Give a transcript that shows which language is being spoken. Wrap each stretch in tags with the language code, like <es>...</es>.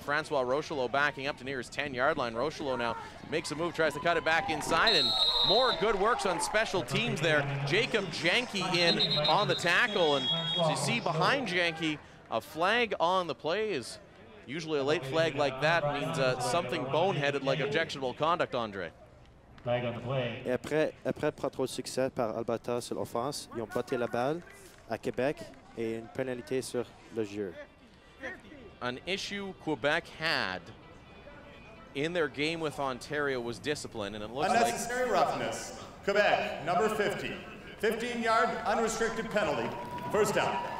<en>Francois Rochelot backing up to near his 10-yard line. Rochelot now makes a move, tries to cut it back inside, and more good works on special teams there. Jacob Janke in on the tackle, and as you see behind Janke, a flag on the play is usually a late flag like that means something boneheaded like objectionable conduct, Andre. Flag on the play.</en> <fr>Après pas trop de succès par Alberta sur l'offense, ils ont batté la balle à Québec.</fr> <en>And penalty</en> <fr>sur le jeu.</fr> <en>An issue Quebec had in their game with Ontario was discipline, and it looks like unnecessary roughness. Quebec, number 50. 15-yard unrestricted penalty. First down.</en>